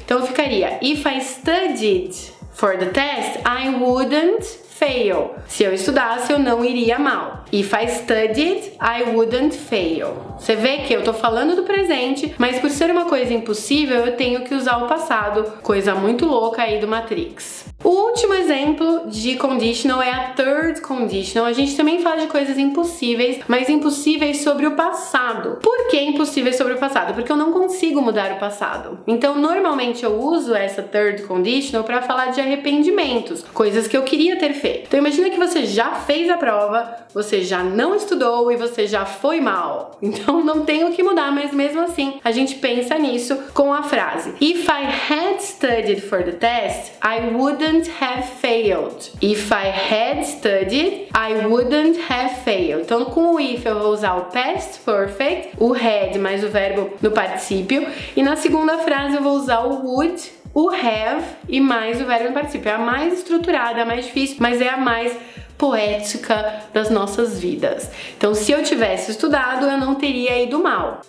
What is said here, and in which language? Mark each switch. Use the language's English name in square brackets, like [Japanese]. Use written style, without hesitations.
[Portuguese] Então ficaria: [English] if I studied for the test, I wouldn't fail. [Portuguese] Se eu estudasse, eu não iria mal. [English] If I studied, I wouldn't fail. [Portuguese] Você vê que eu tô falando do presente, mas por ser uma coisa impossível, eu tenho que usar o passado. Coisa muito louca aí do Matrix. O último exemplo de conditional é a third conditional. A gente também fala de coisas impossíveis, mas impossíveis sobre o passado. Por que impossíveis sobre o passado? Porque eu não consigo mudar o passado. Então, normalmente, eu uso essa third conditional pra falar de arrependimentos, coisas que eu queria ter feito. Então, imagina que você já fez a prova, você já não estudou e você já foi mal. Então, não tem o que mudar, mas mesmo assim, a gente pensa nisso com a frase: [English] if I had studied for the test, I would have failed. If I had studied, I wouldn't have failed. [Portuguese] Então, com o if, eu vou usar o past perfect, o had mais o verbo no particípio, e na segunda frase eu vou usar o would, o have e mais o verbo no particípio. É a mais estruturada, a mais difícil, mas é a mais poética das nossas vidas. Então, se eu tivesse estudado, eu não teria ido mal.